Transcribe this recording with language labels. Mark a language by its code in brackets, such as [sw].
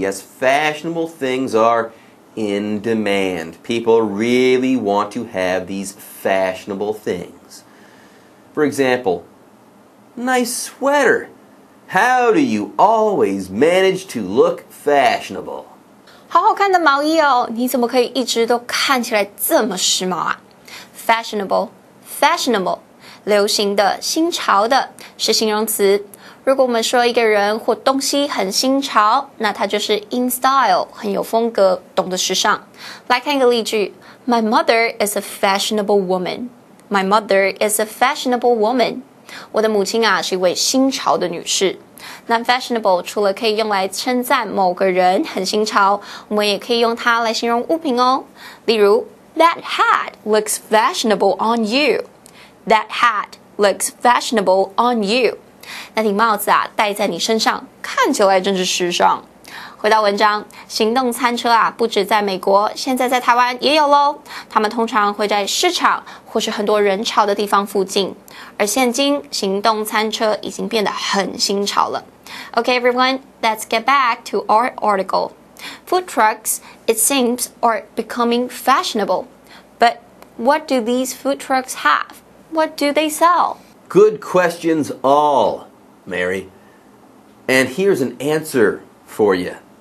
[en] Yes, fashionable things are in demand. People really want to have these fashionable things. For example, nice sweater. How do you always manage to look fashionable? [zh] 好好看的毛衣哦，你怎么可以一直都看起来这么时髦啊？ Fashionable, fashionable, 流行的、新潮的，是形容词。如果我们说一个人或东西很新潮，那它就是 [en] in style, [zh] 很有风格，懂得时尚。来看一个例句， [en] My mother is a fashionable woman. My mother is a fashionable woman. [zh] 我的母亲啊，是一位新潮的女士。那 fashionable 除了可以用来称赞某个人很新潮，我们也可以用它来形容物品哦。例如 [en] ，That hat looks fashionable on you. That hat looks fashionable on you. [zh] 那顶帽子啊，戴在你身上，看起来真是时尚。回到文章，行动餐车啊，不止在美国，现在在台湾也有咯。他们通常会在市场或是很多人潮的地方附近。而现今，行动餐车已经变得很新潮了。 [en] Okay, everyone, let's get back to our article. Food trucks, it seems, are becoming fashionable. But what do these food trucks have? What do they sell? Good questions all, Mary. And here's an answer for you.